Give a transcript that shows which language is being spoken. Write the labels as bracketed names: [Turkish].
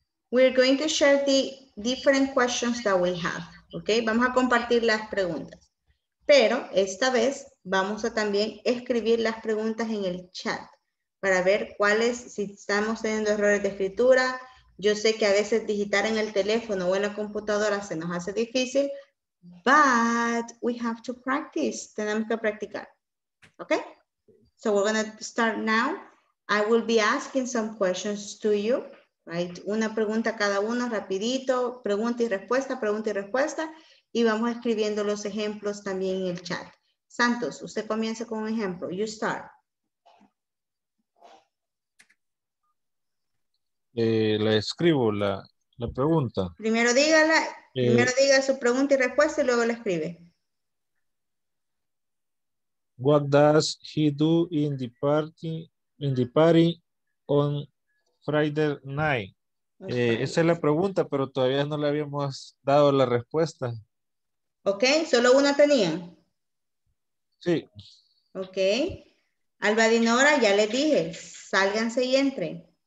[English] We're going to share the different questions that we have, ¿ok? [Spanish] Vamos a compartir las preguntas. Pero esta vez vamos a también escribir las preguntas en el chat para ver cuáles, si estamos teniendo errores de escritura. Yo sé que a veces digitar en el teléfono o en la computadora se nos hace difícil, [English] but we have to practice. [Spanish] Tenemos que practicar. Okay? [English] So we're going to start now. I will be asking some questions to you, right? [Spanish] Una pregunta cada uno rapidito, pregunta y respuesta, pregunta y respuesta. Y vamos escribiendo los ejemplos también en el chat. Santos, usted comienza con un ejemplo. [English] You start. [Spanish] La escribo, la pregunta. Primero dígala, primero diga su pregunta y respuesta y luego la escribe. [English] What does he do in the party on Friday night? [Spanish] Esa es la pregunta, pero todavía no le habíamos dado la respuesta. Ok, ¿solo una tenían? Sí. Ok. Alba Dinora, ya les dije, sálganse y entren.